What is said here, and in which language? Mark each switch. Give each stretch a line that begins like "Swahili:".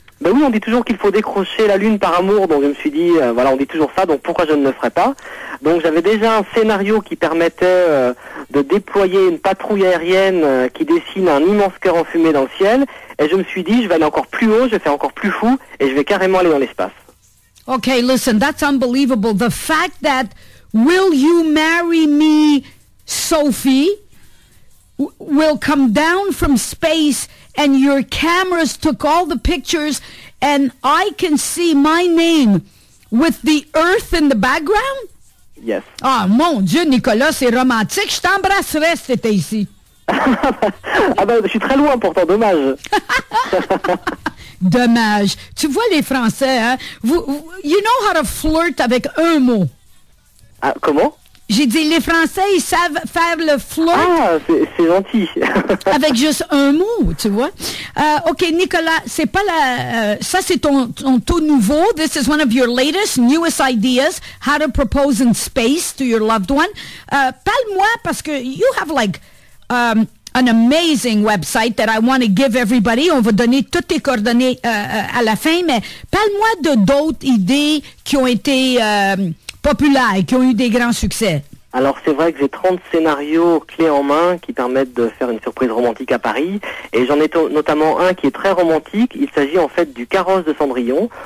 French: Ben oui, on dit toujours qu'il faut décrocher la Lune par amour, donc je me suis dit, voilà, on dit toujours ça, donc pourquoi je ne le ferais pas? Donc j'avais déjà un scénario qui permettait de déployer une patrouille aérienne qui dessine un immense cœur enfumé dans le ciel, et je me suis dit, je vais aller encore plus haut, je vais faire encore plus fou, et je vais carrément aller dans l'espace.
English: Okay, listen, that's unbelievable. The fact that, will you marry me, Sophie, will come down from space, and your cameras took all the pictures, and I can see my name with the earth in the background? Yes.
French: Ah, mon Dieu, Nicolas, c'est romantique. Je t'embrasserais si t'étais ici. Ah ben, je suis très loin pourtant, dommage. Dommage. Tu vois les Français, hein?
English: You know how to flirt
French: avec un mot. Ah, comment? J'ai dit, les Français, ils savent faire le flirt. Ah, c'est gentil. Avec juste un mot, tu vois. OK, Nicolas, c'est pas la... ça, c'est ton tout nouveau.
English: This is one of your latest, newest ideas, how to propose in space to your loved one.
French: Parle-moi, parce que
English: you have, like, an amazing website that I want to give everybody.
French: On va donner toutes tes coordonnées à la fin, mais parle-moi de d'autres idées qui ont été... populaires et qui ont eu des grands succès. Alors c'est vrai que j'ai 30 scénarios clés en main qui permettent de faire une surprise romantique à Paris. Et j'en ai notamment un qui est très romantique. Il s'agit en fait du carrosse de Cendrillon.